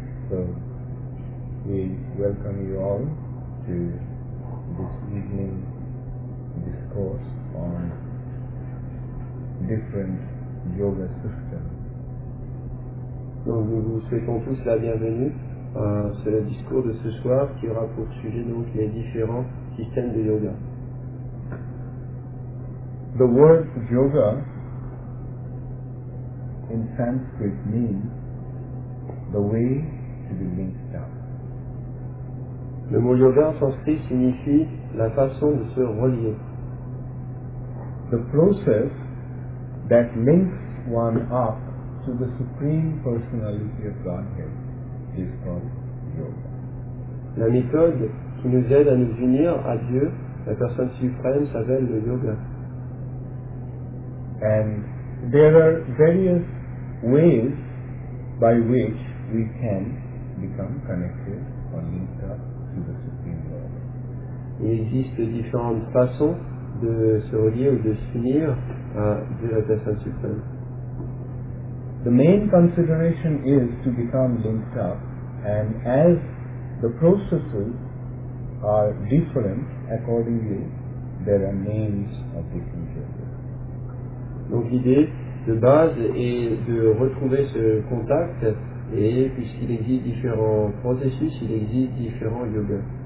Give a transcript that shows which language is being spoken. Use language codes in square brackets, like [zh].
[en] So, we welcome you all to this evening discourse on different yoga systems. [fr] Donc, nous vous souhaitons tous la bienvenue à ce discours de ce soir qui aura pour sujet donc les différents systèmes de yoga. [en] The word yoga in Sanskrit means the way to be linked up. [fr] Le mot yoga en sanskrit signifie la façon de se relier. [en] The process that links one up to the Supreme Personality of Godhead is called yoga. [fr] La méthode qui nous aide à nous unir à Dieu, la personne suprême, s'appelle le yoga. [en] And there are various ways by which we can become connected or linked up to the Supreme Lord. [fr] Il existe différentes façons de se relier ou de s'unir à Dieu, la personne suprême. [en] The main consideration is to become linked up, and as the processes are different, accordingly, there are names of different yogas. [fr] Donc l'idée de base et de retrouver ce contact, et puisqu'il existe différents processus, il existe différents yogas.